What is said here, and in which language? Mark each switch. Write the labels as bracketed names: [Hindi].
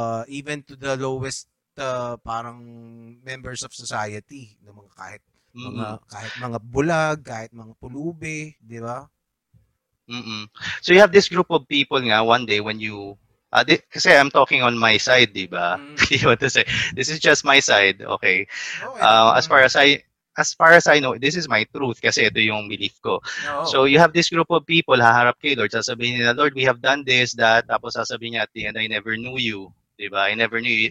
[English] Even to the lowest parang members of society. [Filipino] Ng mga kahit mga bulag, kahit mga pulubi, di ba? Mm-mm. [English] So you have this group of people nga, one day when you... kasi I'm talking on my side, di ba? Mm-hmm. You want to say, this is just my side, okay? As far as I know, this is my truth [Filipino] kasi ito yung belief ko. [English] So you have this group of people, [Filipino] haharap kay Lord, sasabihin niya, [English] Lord, we have done this, that, [Filipino] tapos sasabihin niya, [English] at the end, I never knew you, di ba? I never knew you.